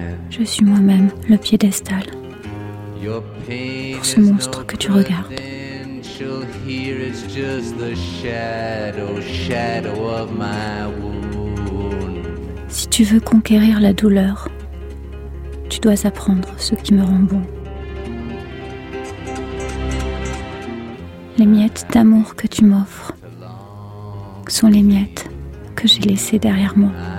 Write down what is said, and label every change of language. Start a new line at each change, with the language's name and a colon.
French: Je suis moi-même le piédestal pour ce monstre que tu regardes.
English: She'll hear it's just the shadow of my wound.
French: Si tu veux conquérir la douleur, tu dois apprendre ce qui me rend bon. Les miettes d'amour que tu m'offres sont les miettes que j'ai laissées derrière moi.